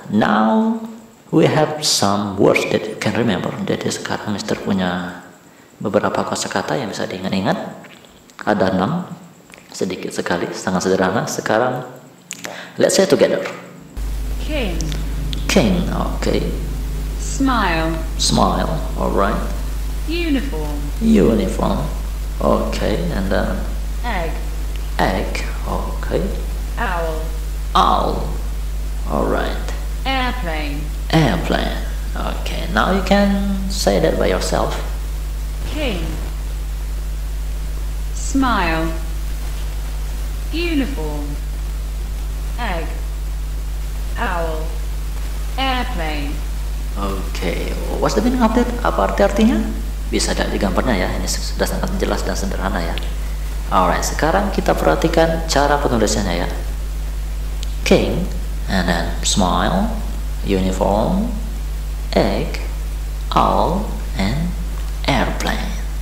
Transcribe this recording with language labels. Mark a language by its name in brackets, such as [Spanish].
[English] Now we have some words that you can remember. [Indonesian] Jadi sekarang Mister punya beberapa kosakata yang bisa diingat-ingat. Ada 6, sedikit sekali, sangat sederhana. Sekarang, [English] let's say together. King. King, okay. Smile. Smile, alright. Uniform. Uniform, okay. And then? Egg. Egg, okay. Owl. Owl, alright. Airplane. Airplane, okay. Now you can say that by yourself. King. Smile. Uniform. Egg. Owl. Airplane. Okay, what's the meaning of that? [Indonesian] Apa arti artinya? Bisa dari gambarnya ya, ini sudah sangat jelas dan sederhana ya. Alright, sekarang kita perhatikan cara penulisannya ya. [English] King, and then smile, uniform, egg, owl, and airplane.